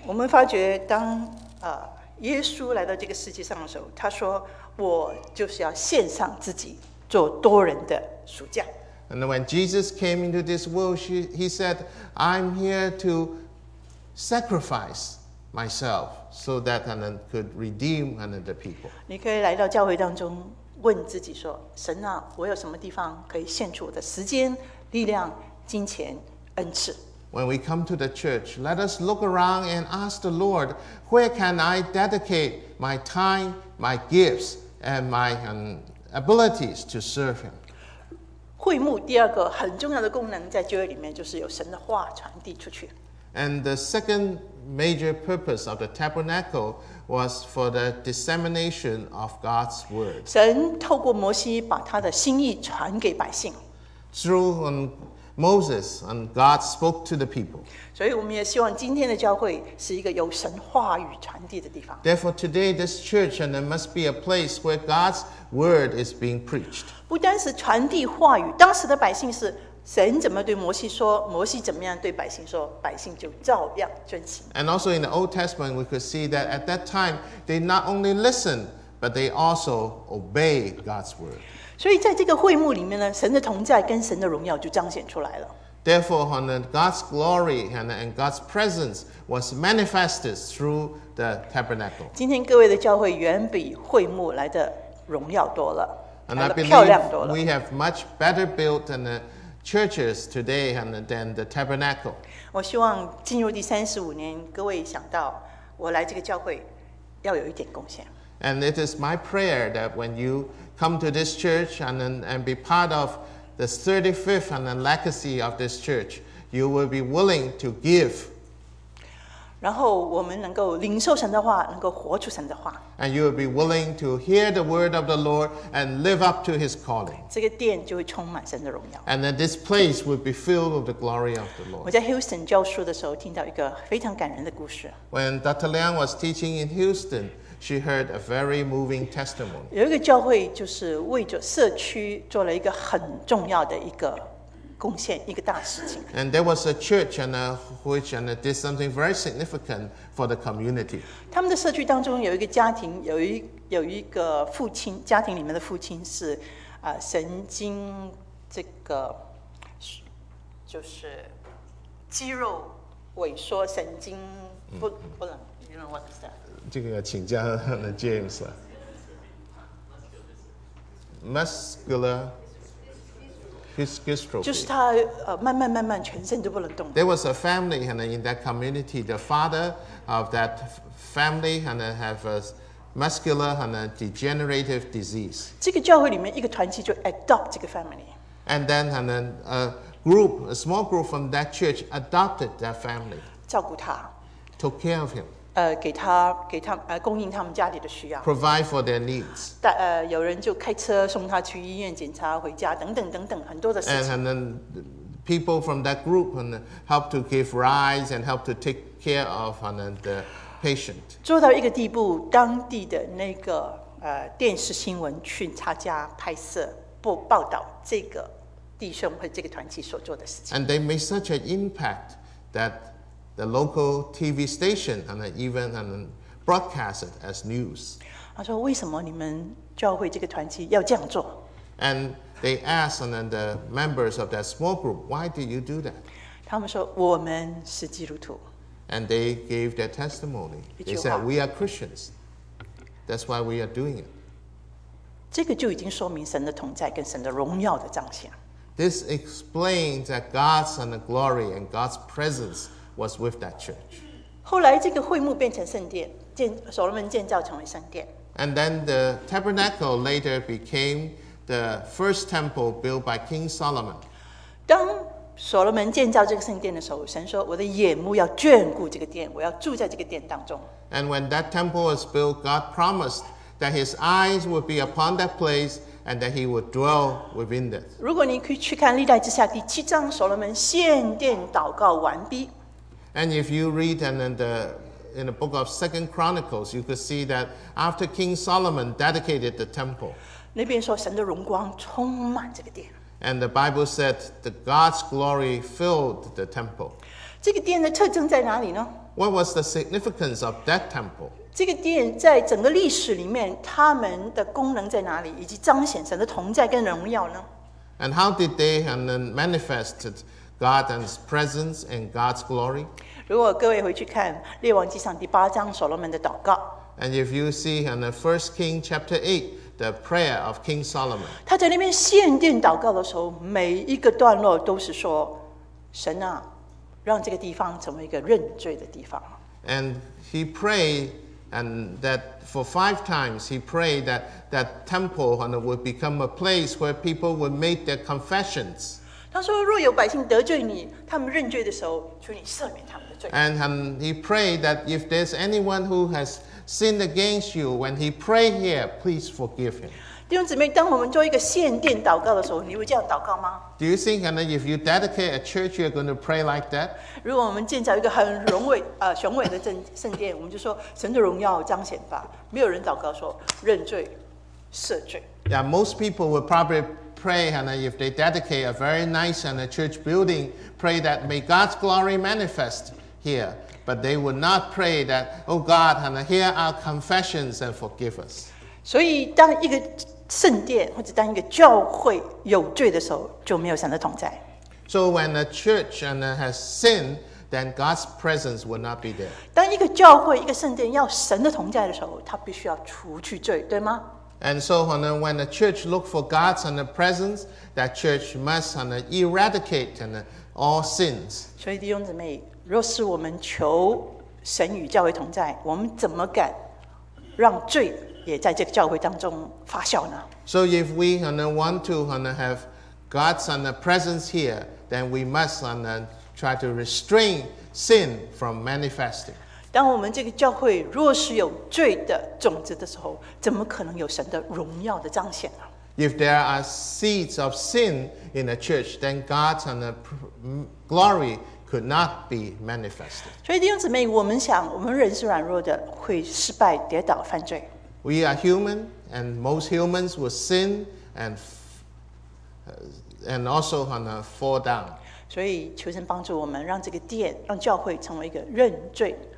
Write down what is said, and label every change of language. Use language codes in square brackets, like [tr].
[zh] 我们发觉当耶稣来到这个世界上的时候，他说：“我就是要献上自己，做多人的赎价。” [en] And when Jesus came into this world, he said, "I'm here to sacrifice myself so that I could redeem the people." [zh] 你可以来到教会当中问自己说：“神啊，我有什么地方可以献出我的时间、力量、金钱、恩赐？” [en] When we come to the church, let us look around and ask the Lord, "Where can I dedicate my time, my gifts, and my abilities to serve Him?" [zh] 会幕第二个很重要的功能在教会里面就是有神的话传递出去。 [en] And the second major purpose of the tabernacle was for the dissemination of God's word. [zh] 神透过摩西把他的心意传给百姓。 [en] Through Moses and God spoke to the people. [zh] 所以我们也希望今天的教会是一个有神话语传递的地方。 [en] Therefore, today this church and there must be a place where God's word is being preached. [zh] 不单是传递话语，当时的百姓是。神怎么对摩西说，摩西怎么样对百姓说，百姓就照样遵行。 [en] And also in the Old Testament, we could see that at that time, they not only listen, but they also obey God's word. [zh] 所以在这个会幕里面呢，神的同在跟神的荣耀就彰显出来了。 [en] Therefore, God's glory and God's presence was manifested through the tabernacle. [zh] 今天各位的教会远比会幕来的荣耀多了， [en] And I believe we have much better built than the churches today and then the tabernacle. [zh] 我希望进入第35年，各位想到我来这个教会要有一点贡献。 [en] And it is my prayer that when you come to this church and be part of the 35th and the legacy of this church, you will be willing to give. [zh] 然后我们能够领受神的话，能够活出神的话。 [en] And you will be willing to hear the word of the Lord and live up to His calling. [zh] 这个殿就会充满神的荣耀。 [en] And then this place will be filled with the glory of the Lord. [zh] 我在 Houston 教书的时候，听到一个非常感人的故事。 [en] When Dr. Liang was teaching in Houston, she heard a very moving testimony. [zh] 有一个教会就是为着社区做了一个很重要的一个。贡献一个大事情。 [en] And there was a church which did something very significant for the community. [zh] 他们的社区当中有一个家庭，有一个父亲，家庭里面的父亲是神经这个就是肌肉萎缩，神经不能 ， [en] you don't understand. [zh] 这个请教那 James 啊 ，muscular。就是他慢慢全身都不能动。 [en] There was a family in that community. The father of that family have a muscular degenerative disease. [zh] 这个教会里面一个团契就 adopt 这个 family. [en] And then a small group from that church adopted that family. [zh] 照顾他。 [en] Took care of him. [zh] 给他供应他们家里的需要。 [en] Provide for their needs. [zh] 有人就开车送他去医院检查，回家等等很多的事情。 [en] And then people from that group help to give rides and help to take care of the patient. [zh] 做到一个地步，当地的那个电视新闻去他家拍摄，报道这个弟兄和这个团体所做的事情。 [en] And they made such an impact that. The local TV station and even broadcast it as news. [zh] 他说：“为什么你们教会这个团体要这样做 [en] ？”And they asked the members of that small group, "Why do you do that?" [zh] 他们说：“我们是基督徒。 [en] ”And they gave their testimony. They said, "We are Christians. That's why we are doing it." [zh] 这个就已经说明神的同在跟神的荣耀的彰显。 [en] This explains that God's glory and God's presence. Was with that church. [zh] 后来这个会幕变成圣殿，所罗门建造成为圣殿。 [en] And then the tabernacle later became the first temple built by King Solomon. [zh] 当所罗门建造这个圣殿的时候，神说：“我的眼目要眷顾这个殿，我要住在这个殿当中。” [en] And when that temple was built, God promised that His eyes would be upon that place. And that he would dwell within this. [zh] 如果你可以去看《历代志下》第七章，所罗门献殿祷告完毕。 [en] And if you read in the book of Second Chronicles, you could see that after King Solomon dedicated the temple, [zh] 那边说神的荣光充满这个殿。 [en] And the Bible said that God's glory filled the temple. [zh] 这个殿的特征在哪里呢? [en] What was the significance of that temple? [zh] 这个殿在整个历史里面，他们的功能在哪里，以及彰显神的同在跟荣耀呢? [en] And how did they and then manifest God and His presence and God's glory? [zh] 如果各位回去看《列王记上》第八章所罗门的祷告。 [en] And if you see in the 1 Kings chapter 8, the prayer of King Solomon. [zh] 他在那边献殿祷告的时候，每一个段落都是说，神啊，让这个地方成为一个认罪的地方。 [en] And he prayed and that for 5 times, he prayed that that temple would become a place where people would make their confessions. [zh] 他说若有百姓得罪你他们认罪的时候求你赦免他们的罪 [en] And he prayed that if there's anyone who has sinned against you when he pray here please forgive him [zh] 弟兄姊妹当我们做一个献殿祷告的时候你会这样祷告吗 [en] Do you think if you dedicate a church you're going to pray like that [zh] 如果我们建造一个很雄伟的圣殿我们就说神的荣耀彰显吧没有人祷告说认罪赦罪 [en] Yeah, most people would probably pray and if they dedicate a very nice and a church building pray that may God's glory manifest here but they would not pray that oh God and hear our confessions and forgive us [zh] 所以当一个圣殿或者当一个教会有罪的时候就没有神的同在 [en] so when a church and has sinned then God's presence would not be there [zh] 当一个教会一个圣殿要神的同在的时候他必须要除去罪对吗 [en] And so when the church looks for God's and the presence, that church must eradicate all sins. [zh] 所以弟兄姊妹，若是我们求神与教会同在，我们怎么敢让罪也在这个教会当中发酵呢？ [en] So if we want to have God's and the presence here, then we must try to restrain sin from manifesting. [zh] 当我们这个教会若是有罪的种子的时候，怎么可能有神的荣耀的彰显呢 [en] ？If there are seeds of sin in a church, then God's and the glory could not be manifested. [zh] 所以弟兄姊妹，我们想，我们人是软弱的，会失败、跌倒、犯罪。 [en] We are human, and most humans will sin and also fall down. [zh] 所以求神帮助我们，让这个殿、让教会成为一个认罪。